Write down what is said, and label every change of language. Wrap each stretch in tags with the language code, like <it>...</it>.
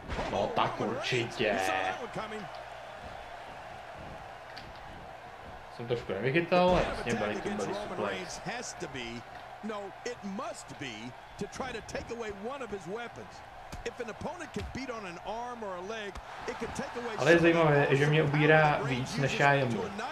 <cs>No tak určitě. Jsem trošku nevychytal, ale jasně byli to byli suplej.</cs> <en>If an opponent can beat on an arm or a leg, it can take away.</en> <cs>Ale je zajímavé, že mě ubírá víc než já jemu.</cs>